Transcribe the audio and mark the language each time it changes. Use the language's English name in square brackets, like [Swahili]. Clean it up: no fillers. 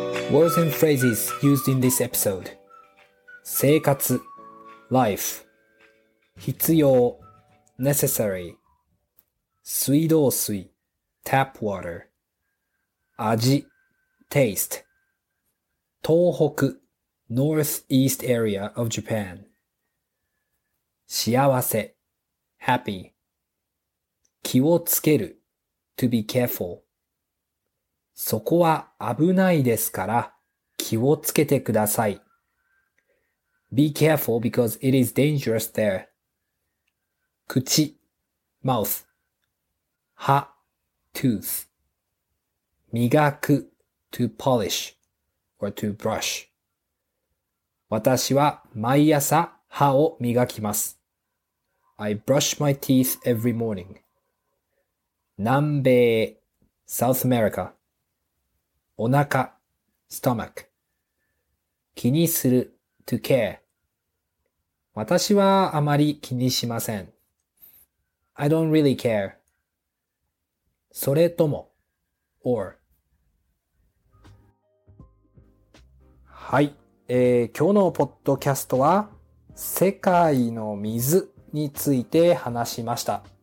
[English] Words and phrases used in this episode. [Japanese] 生活 life 必要 necessary 水道水 tap water 味 taste 東北 [English] northeast area of Japan [Japanese] 幸せ happy 気をつける [English] to be careful [Japanese] そこは危ないですから気をつけてください。 [English] Be careful because it is dangerous there. [Japanese] 口 mouth 歯 tooth 磨く [English] to polish or to brush [Japanese] 私は毎朝歯を磨きます。 [English] I brush my teeth every morning. [Japanese] 南米 South America お腹 stomach 気にする to care 私はあまり気にしません [English] I don't really care [Japanese] それとも or はい、今日のポッドキャストは世界の水について話しました。